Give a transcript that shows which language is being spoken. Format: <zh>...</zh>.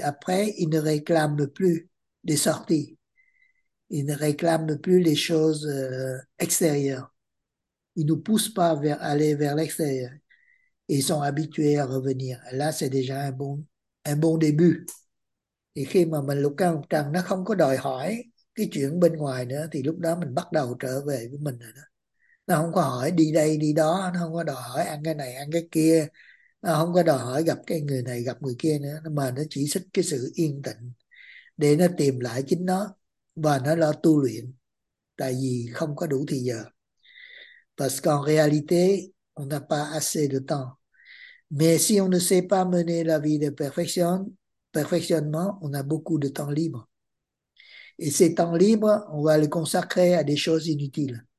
<fr>Après, ils ne réclament plus des sorties. Ils ne réclament plus les choses extérieures. Ils ne nous poussent pas aller vers l'extérieur. Ils sont habitués à revenir. Là, c'est déjà un bon début.</fr> <vi>Thì khi mà mình lục căn lục trần nó không có đòi hỏi cái chuyện bên ngoài nữa thì lúc đó mình bắt đầu trở về với mình rồi đó. Nó không có hỏi đi đây đi đó, nó không có đòi hỏi ăn cái này ăn cái kia, nó không có đòi hỏi gặp cái người này gặp người kia nữa, mà nó chỉ thích cái sự yên tĩnh để nó tìm lại chính nó và nó lo tu luyện, tại vì không có đủ thời giờ.</vi> <fr>Parce qu'en réalité, on n'a pas assez de temps. Mais si on ne sait pas mener la vie de perfectionnement, on a beaucoup de temps libre. Et ces temps libres, on va les consacrer à des choses inutiles.</fr>